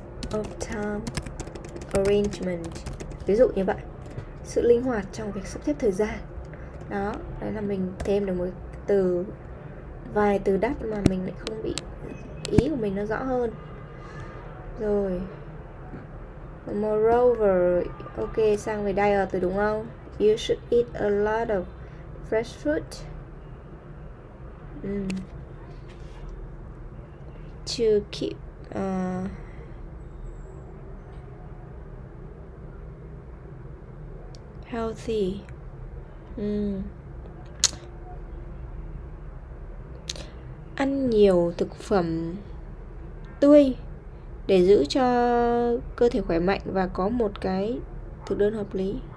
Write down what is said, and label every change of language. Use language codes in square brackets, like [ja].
[en] Of time arrangement, [vi] ví dụ như vậy, sự linh hoạt trong việc sắp xếp thời gian đó. Đấy là mình thêm được một từ, vài từ đắt mà mình lại không bị, ý của mình nó rõ hơn. Rồi moreover, ok, sang về diet rồi đúng không? [en] You should eat a lot of fresh fruit to keep healthy. [vi] Ăn nhiều thực phẩm tươi để giữ cho cơ thể khỏe mạnh và có một cái thực đơn hợp lý.